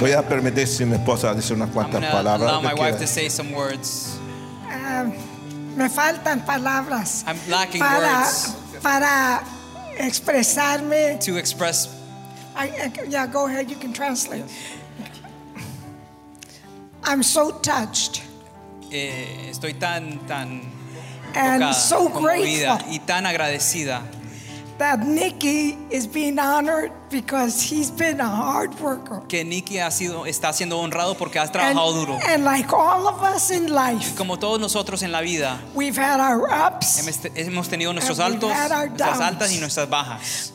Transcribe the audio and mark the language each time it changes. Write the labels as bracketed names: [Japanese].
[Spanish] Voy a permitir si mi esposa dice unas cuantas palabras. [English] I'm going to allow my wife to say some words. [Spanish] Me faltan palabras. [English] I'm lacking words. [Spanish] Para expresarme. [English] To express. Yeah, go ahead. You can translate. I'm so touched. [Spanish] Estoy tan tan. [English] And so grateful. [Spanish] Y tan agradecida. [English] That Nikki is being honored because he's been a hard worker. [Spanish] Que Nikki está siendo honrado porque ha trabajado duro. [English] And like all of us in life, [Spanish] como todos nosotros en la vida, [English] we've had our ups, [Spanish] hemos tenido nuestros altos, nuestras altas y nuestras bajas.